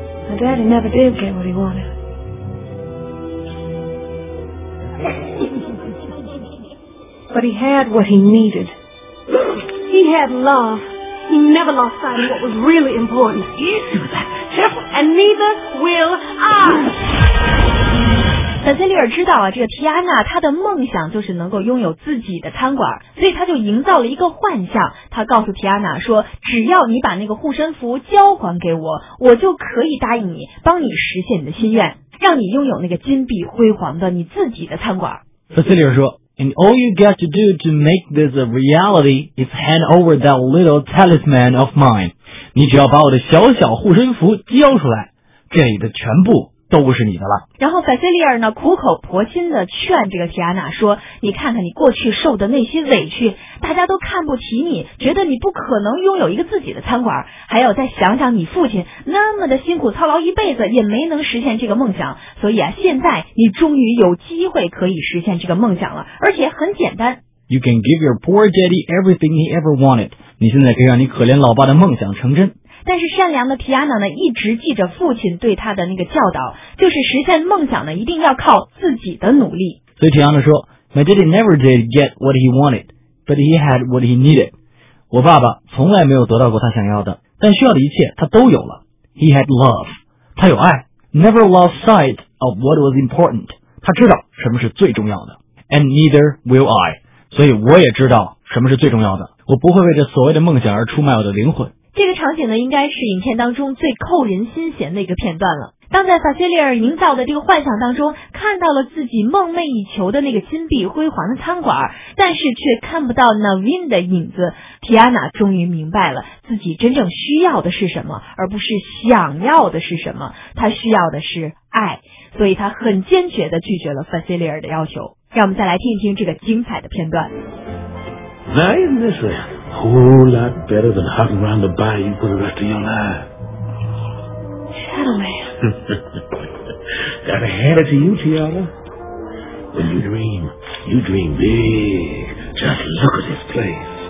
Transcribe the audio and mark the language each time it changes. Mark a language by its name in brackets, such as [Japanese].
[English] My daddy never did get what he wanted. But he had what he needed. He had love. He never lost sight of what was really important. And neither will I. [Chinese] 本菲利尔知道啊，这个提安娜她的梦想就是能够拥有自己的餐馆，所以他就营造了一个幻象。他告诉提安娜说，只要你把那个护身符交还给我，我就可以答应你，帮你实现你的心愿，让你拥有那个金碧辉煌的你自己的餐馆。本菲利尔说。 [English] And all you got to do to make this a reality is hand over that little talisman of mine. [Chinese] 你只要把我的小小护身符交出来，这里的全部都是你的了。然后塞菲利尔呢苦口婆心的劝这个提安娜说，你看看你过去受的那些委屈，大家都看不起你，觉得你不可能拥有一个自己的餐馆，还有再想想你父亲那么的辛苦操劳一辈子也没能实现这个梦想，所以啊，现在你终于有机会可以实现这个梦想了，而且很简单。 [English] You can give your poor daddy everything he ever wanted. [Chinese] 你现在可以让你可怜老爸的梦想成真。但是善良的提安娜呢，一直记着父亲对他的那个教导，就是实现梦想呢，一定要靠自己的努力。所以提安娜说 [English] ，My daddy never did get what he wanted, but he had what he needed. [Chinese] 我爸爸从来没有得到过他想要的，但需要的一切他都有了。 [English] He had love, [Chinese] 他有爱。 [English] Never lost sight of what was important, [Chinese] 他知道什么是最重要的。 [English] And neither will I, [Chinese] 所以我也知道什么是最重要的。我不会为这所谓的梦想而出卖我的灵魂。这个场景呢，应该是影片当中最扣人心弦的一个片段了。当在法西利尔营造的这个幻想当中，看到了自己梦寐以求的那个金碧辉煌的餐馆，但是却看不到 Navin 的影子，提安娜终于明白了自己真正需要的是什么，而不是想要的是什么，她需要的是爱，所以她很坚决地拒绝了法西利尔的要求。让我们再来听一听这个精彩的片段。 [English] Now isn't this a whole lot better than hugging around the bayou for the rest of your life? Gentlemen. Gotta hand it to you, Tiara. When you dream big. Just look at this place.